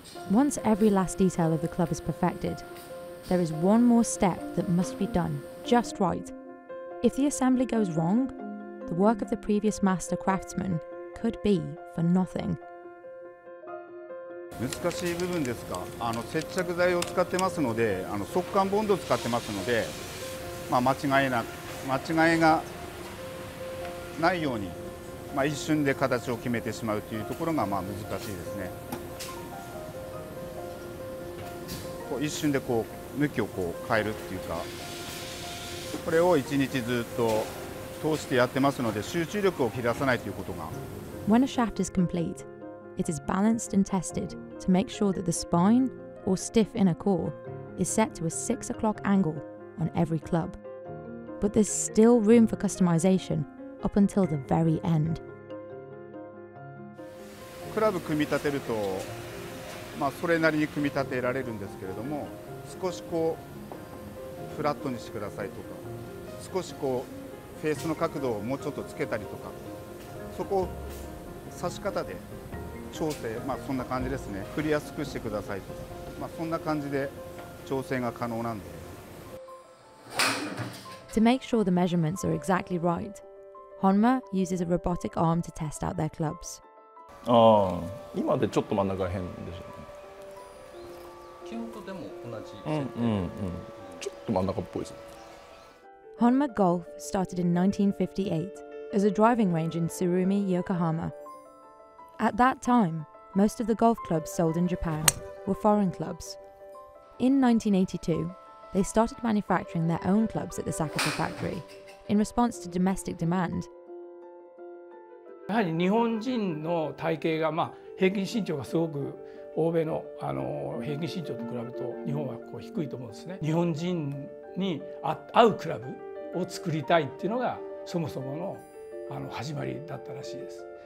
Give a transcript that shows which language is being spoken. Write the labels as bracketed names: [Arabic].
[English] Once every last detail of the club is perfected, there is one more step that must be done just right. If the assembly goes wrong, the work of the previous master craftsman could be for nothing. [Japanese] 難しい部分ですか。接着剤を使ってますので、速乾ボンドを使ってますので、まあ、間違いがないように、まあ、一瞬で形を決めてしまうというところがまあ難しいですね。こう一瞬でこう向きをこう変えるっていうか、これを一日ずっと通してやってますので、集中力を切らさないということが。 [English] When a shaft is complete. It is balanced and tested to make sure that the spine, or stiff inner core, is set to a 6 o'clock angle on every club. But there's still room for customization up until the very end. [Japanese] クラブ組み立てると、まあ、それなりに組み立てられるんですけれども、少しこうフラットにしてくださいとか、少しこうフェースの角度をもうちょっとつけたりとか、そこを刺し方で。調整、まあ、そんな感じですね。振りやすくしてくださいと、まあ、そんな感じで調整が可能なんで。 [English] To make sure the measurements are exactly right, Honma uses a robotic arm to test out their clubs. [Japanese] ああ、今でちょっと真ん中変でしょ。基本とでも同じ。ちょっと真ん中っぽいですね。 [English] Honma Golf started in 1958 as a driving range in Tsurumi, Yokohama. At that time, most of the golf clubs sold in Japan were foreign clubs. In 1982, they started manufacturing their own clubs at the Sakata factory in response to domestic demand. [Japanese] やはり日本人の体型が、まあ、平均身長がすごく欧米の、平均身長と比べると日本はこう低いと思うんですね。日本人に合うクラブを作りたいっていうのがそもそもの、始まりだったらしいです。